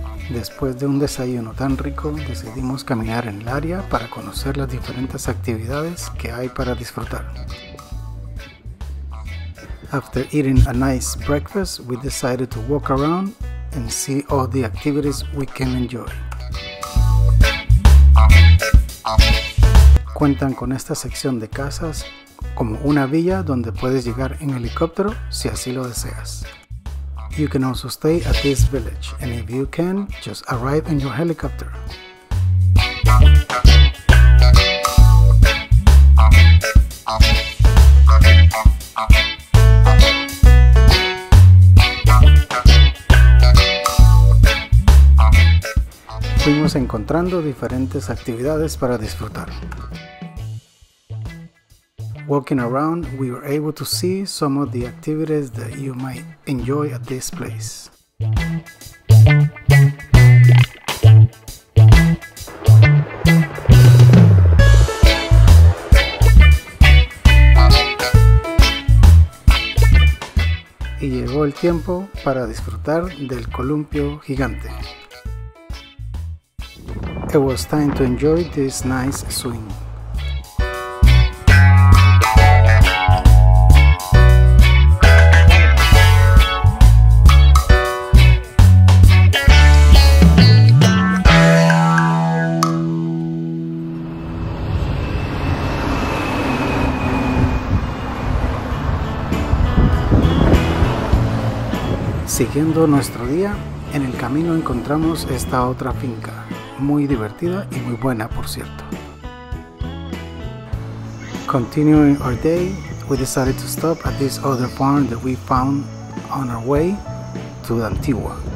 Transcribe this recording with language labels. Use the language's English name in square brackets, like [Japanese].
[Spanish] Después de un desayuno tan rico, decidimos caminar en el área para conocer las diferentes actividades que hay para disfrutar. [English] After eating a nice breakfast, we decided to walk around and see all the activities we can enjoy. [Spanish] Cuentan con esta sección de casas como una villa donde puedes llegar en helicóptero si así lo deseas. [English] You can also stay at this village, and if you can, just arrive in your helicopter. [Spanish] Fuimos encontrando diferentes actividades para disfrutar. [English] Walking around, we were able to see some of the activities that you might enjoy at this place. [Spanish] Y llegó el tiempo para disfrutar del columpio gigante. [English] It was time to enjoy this nice swing. [Spanish] Siguiendo nuestro día, en el camino encontramos esta otra finca. Muy divertida y muy buena, por cierto. [English] Continuing our day, we decided to stop at this other farm that we found on our way to Antigua.